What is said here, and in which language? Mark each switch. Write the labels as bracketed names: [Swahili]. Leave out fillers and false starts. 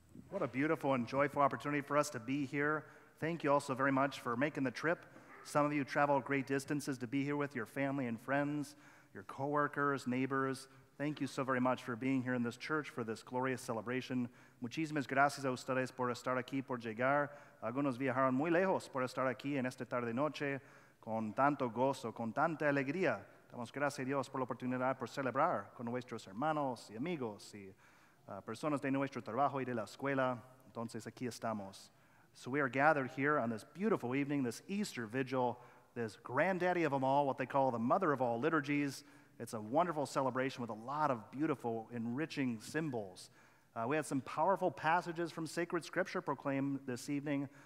[English] What a beautiful and joyful opportunity for us to be here. Thank you also very much for making the trip. Some of you travel great distances to be here with your family and friends, your coworkers, neighbors. Thank you so very much for being here in this church for this glorious celebration. [Spanish] Muchísimas gracias a ustedes por estar aquí, por llegar. Algunos viajaron muy lejos por estar aquí en esta tarde-noche con tanto gozo, con tanta alegría. Damos gracias a Dios por la oportunidad por celebrar con nuestros hermanos y amigos y personas de nuestro trabajo y de la escuela. Entonces, aquí estamos. [English] So we are gathered here on this beautiful evening, this Easter vigil, this granddaddy of them all, what they call the mother of all liturgies. It's a wonderful celebration with a lot of beautiful, enriching symbols. We had some powerful passages from sacred scripture proclaimed this evening.